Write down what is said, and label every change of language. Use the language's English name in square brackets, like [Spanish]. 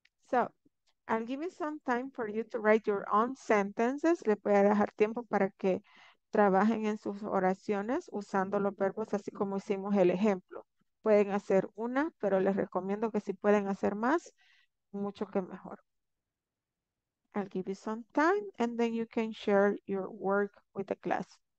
[English] So, I'll give you some time for you to write your own sentences. [Spanish] Le voy a dejar tiempo para que trabajen en sus oraciones usando los verbos así como hicimos el ejemplo. Pueden hacer una, pero les recomiendo que si pueden hacer más, mucho que mejor. [English] I'll give you some time and then you can share your work with the class.